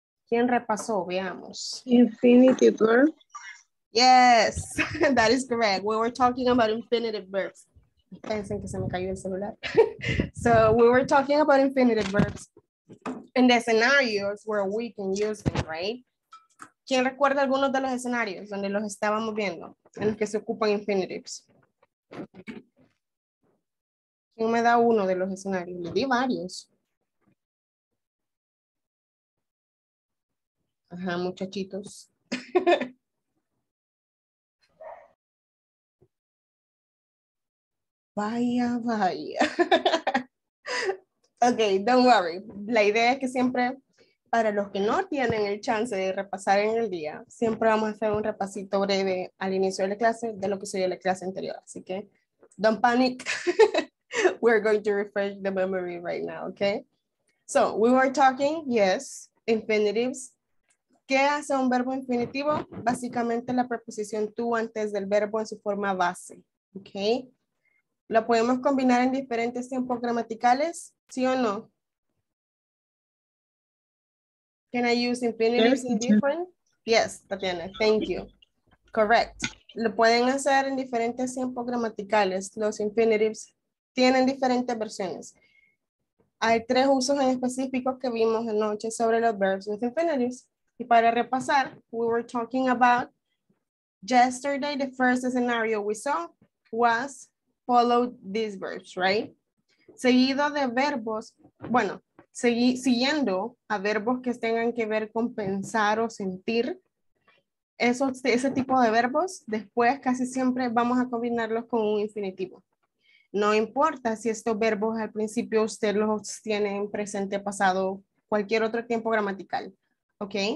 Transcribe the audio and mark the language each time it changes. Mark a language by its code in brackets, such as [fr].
[es] ¿Quién repasó? Veamos. [en] Infinitive verb. Yes, that is correct. We were talking about infinitive verbs. [es] Pensen que se me cayó el celular. [en] So we were talking about infinitive verbs in the scenarios where we can use them, right? [es] ¿Quién recuerda algunos de los escenarios donde los estábamos viendo en los que se ocupan infinitives? ¿Quién me da uno de los escenarios? Le di varios. Ajá, muchachitos. Vaya, vaya. [en] Okay, don't worry. [es] La idea es que siempre, para los que no tienen el chance de repasar en el día, siempre vamos a hacer un repasito breve al inicio de la clase de lo que se dio en la clase anterior. Así que, don't panic. [en] We're going to refresh the memory right now, okay? So, we were talking, yes, infinitives. ¿Qué hace un verbo infinitivo? [es] Básicamente la preposición to antes del verbo en su forma base, okay? ¿Lo podemos combinar en diferentes tiempos gramaticales? ¿Sí o no? [en] Can I use infinitives in different? Yes, Tatiana, thank you. Correct. [es] Lo pueden hacer en diferentes tiempos gramaticales. Los infinitives tienen diferentes versiones. Hay tres usos en específico que vimos anoche sobre los verbs with infinitives. [en] Y para repasar, we were talking about yesterday, the first scenario we saw was follow these verbs, right? [es] Seguido de verbos, bueno, siguiendo a verbos que tengan que ver con pensar o sentir, ese tipo de verbos, después casi siempre vamos a combinarlos con un infinitivo. No importa si estos verbos al principio usted los tiene en presente, pasado, cualquier otro tiempo gramatical, ¿ok?